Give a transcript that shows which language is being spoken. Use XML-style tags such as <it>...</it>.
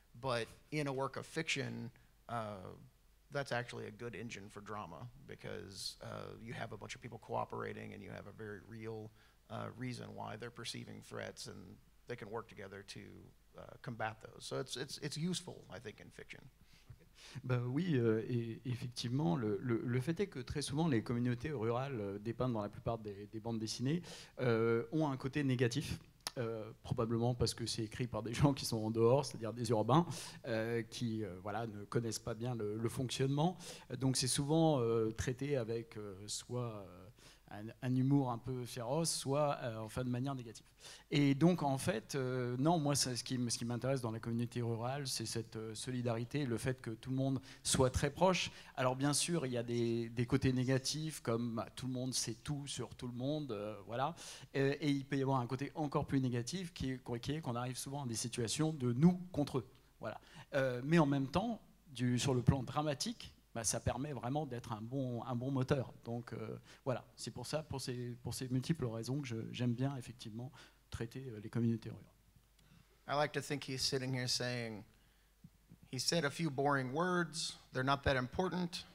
<en>But in a work of fiction, that's actually a good engine for drama because you have a bunch of people cooperating and you have a very real reason why they're perceiving threats and they can work together to combat those. So it's useful, I think, in fiction.</en> <fr>Bah oui, et effectivement, le fait est que très souvent, les communautés rurales dépeintes dans la plupart des bandes dessinées ont un côté négatif. Probablement parce que c'est écrit par des gens qui sont en dehors, c'est-à-dire des urbains, qui voilà, ne connaissent pas bien le fonctionnement. Donc c'est souvent traité avec soit un humour un peu féroce, soit enfin, de manière négative. Et donc en fait, non, moi ce qui m'intéresse dans la communauté rurale, c'est cette solidarité, le fait que tout le monde soit très proche. Alors bien sûr, il y a des côtés négatifs, comme bah, tout le monde sait tout sur tout le monde, voilà. Et il peut y avoir un côté encore plus négatif, qui est qu'on arrive souvent à des situations de nous contre eux. Voilà. Mais en même temps, sur le plan dramatique, bah, ça permet vraiment d'être un bon moteur. Donc voilà, c'est pour ça, pour ces multiples raisons que j'aime bien effectivement traiter les communautés rurales.</fr> <en>I like to think he's sitting here saying, he said a few boring words, they're not that important.</en>